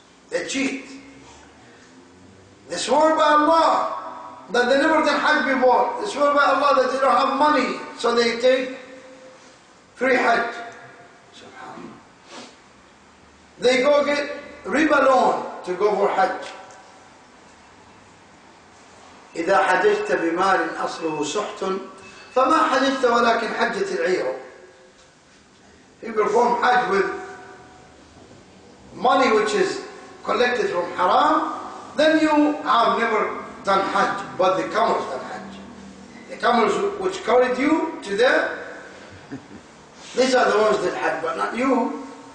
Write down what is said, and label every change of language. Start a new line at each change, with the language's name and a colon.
English: They cheat. They swore by Allah that they never did Hajj before. They swore by Allah that they don't have money, so they take free Hajj. SubhanAllah. They go get riba loan to go for Hajj.
Arabic: إذا حججت بمال أصله سحت فما حججت ولكن حجة العير.
English: He performed Hajj with money which is collected from haram, then you have never done Hajj, but the camels done Hajj. The camels which carried you to there, these are the ones that Hajj, but not you.